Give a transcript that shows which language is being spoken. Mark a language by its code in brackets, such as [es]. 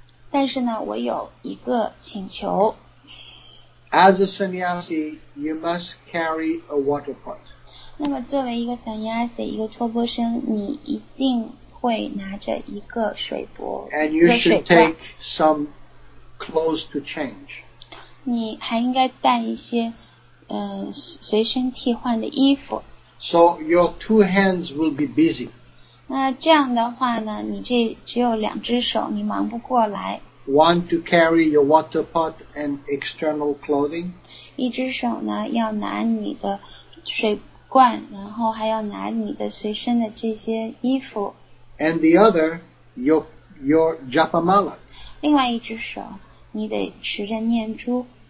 [zh] 但但是呢，我有一个请求。 [en] As a sannyasi, you must carry a water pot. [zh] 那么作为一个 sannyasi, 一个托钵生，你一定会拿着一个水钵，一个水罐。 [en] And you should take some clothes to change. [zh] 你还应该带一些随身替换的衣服。 [en] So your two hands will be busy. [zh] 那这样的话呢，你这只有两只手，你忙不过来。 [en] One to carry your water pot and external clothing. [zh] 一只手呢，要拿你的水罐，然后还要拿你的随身的这些衣服。 [en] And the other, your japa mala. [zh] 另外一只手，你得持着念珠。